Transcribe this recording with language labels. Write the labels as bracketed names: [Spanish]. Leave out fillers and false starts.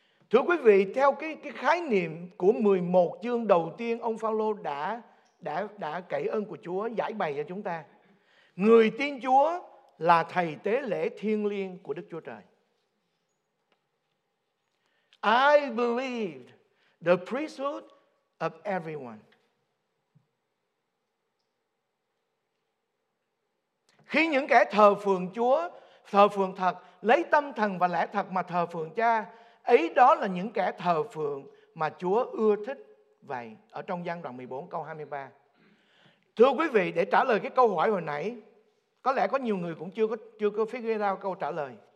[Vietnamese] Thưa quý vị, theo cái khái niệm của 11 chương đầu tiên, ông Phaolô đã cậy ơn của Chúa giải bày cho chúng ta. Người tin Chúa là thầy tế lễ thiêng liêng của Đức Chúa Trời. [English] I believe the priesthood of everyone. [Vietnamese] Khi những kẻ thờ phượng Chúa, thờ phượng thật, lấy tâm thần và lẽ thật mà thờ phượng Cha, ấy đó là những kẻ thờ phượng mà Chúa ưa thích vậy. Ở trong gian đoạn 14 câu 23. Thưa quý vị, để trả lời cái câu hỏi hồi nãy, có lẽ có nhiều người cũng chưa có [English] figure out [Vietnamese] câu trả lời.